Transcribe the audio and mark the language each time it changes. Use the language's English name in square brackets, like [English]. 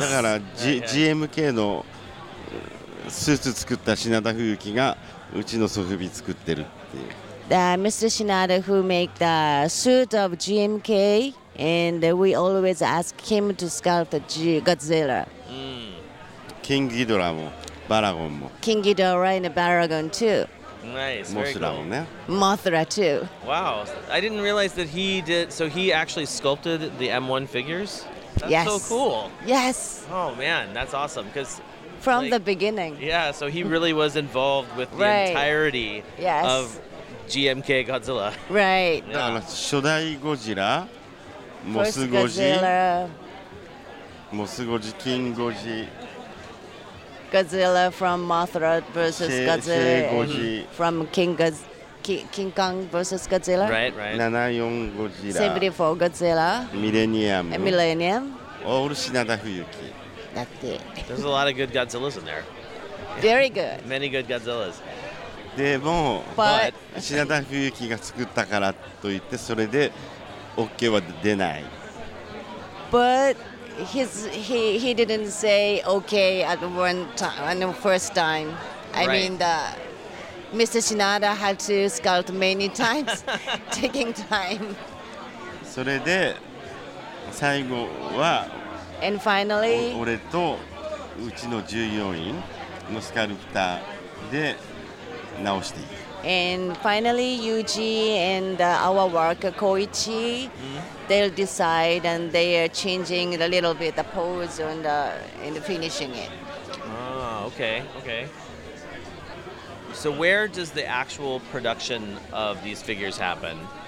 [Japanese] だから GMK のスーツ作った品田冬樹がうちのソフビ作ってるっていう。 [English] Mr. Shinada who make the suit of GMK and we always ask him to sculpt Godzilla. [Japanese] King Ghidorah もバラゴンも。 [English] King Ghidorah and Baragon too. Nice. [Japanese] Mothra もね。 [English] Mothra too. Wow. I didn't realize that he did. So he actually sculpted the M1 figures? That's yes. so cool. Yes. Oh man, that's awesome. Because from like, the beginning. Yeah. So he really was involved with the entirety of GMK Godzilla. Right. [Japanese] Yeah. だから初代ゴジラ、モスゴジ、モスゴジ、キングゴジ、 [English] Godzilla from Mothra versus Godzilla [Japanese] ゴジ、 [English] from King Kong versus Godzilla. Right. 74 Godzilla. 74 Godzilla. Millennium. And Millennium. All Shinada Fuyuki. That's it. There's a lot of good Godzillas in there. Very good. Many good Godzillas. [Japanese] でも、 [English] But [Japanese] 品田冬樹が作ったからといってそれで OK は出ない。 [English] But he didn't say okay at one time, at the first time. I mean that Mr. Shinada had to scout many times, taking time. [Japanese] それで最後は [English] And finally, [Japanese] 俺とうちの従業員のスカルプターで直していく。 [English] And finally, Yuji and our worker Koichi,、mm-hmm. they'll decide and they are changing a little bit the pose and finishing it. Ah, okay, okay. So where does the actual production of these figures happen?